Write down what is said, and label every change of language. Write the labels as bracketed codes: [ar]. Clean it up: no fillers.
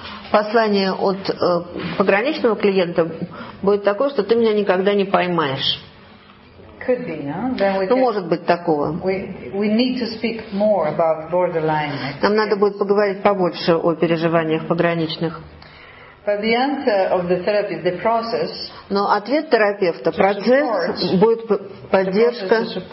[ru] послание от пограничного клиента будет такое, что ты меня никогда не поймаешь. [en] Could be, no? [ru] Ну, может быть такого. [en] We need to speak more about borderline. [ru] Нам надо будет поговорить побольше о переживаниях пограничных. [en] But the answer of the therapist, the process. [ru] Но ответ терапевта, процесс, будет поддержка.